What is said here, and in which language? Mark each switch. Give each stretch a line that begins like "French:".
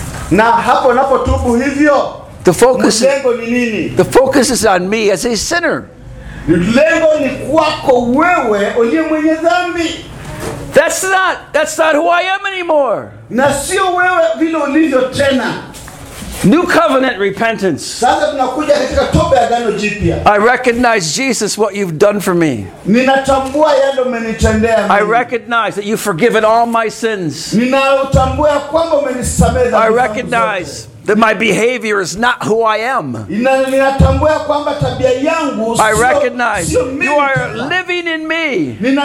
Swahili: Na hapo napotubu hivyo.
English: The focus. The focus is on me as a sinner.
Swahili: Lengo ni kwako wewe uliye mwenye dhambi.
English: That's not who I am anymore.
Swahili: Na sio wewe vile ulivyo tena.
English: New covenant repentance.
Swahili: Sasa tunakuja katika toba ya agano jipya.
English: I recognize Jesus, what you've done for me.
Swahili: Ninatambua yale umenitendea mimi.
English: I recognize that you've forgiven all my sins.
Swahili: Ninatambua kwamba umenisamehe dhambi.
English: I recognize that my behavior is not who I am. I recognize you are living in me.